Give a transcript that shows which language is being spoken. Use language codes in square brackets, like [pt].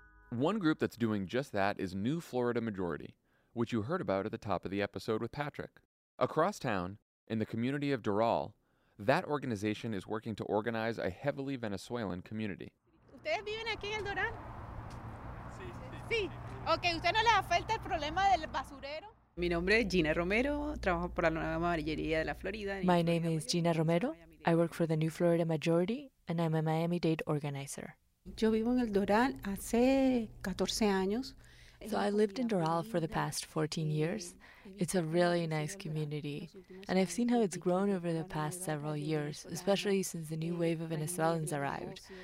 [en] One group that's doing just that is New Florida Majority, which you heard about at the top of the episode with Patrick. Across town, in the community of Doral, that organization is working to organize a heavily Venezuelan community. [es] ¿Ustedes viven aquí en Doral? Sí. Okay, ¿usted no le afecta el problema del basurero? Mi nombre es Gina Romero, trabajo por la Nueva Amarillería de la Florida. [en] My name is Gina Romero. I work for the New Florida Majority and I'm a Miami-Dade organizer. [es] Yo vivo en el Doral hace 14 años. [en] So I lived in Doral for the past 14 years. It's a really nice community, and I've seen how it's grown over the past several years, especially since the new wave of Venezuelans arrived.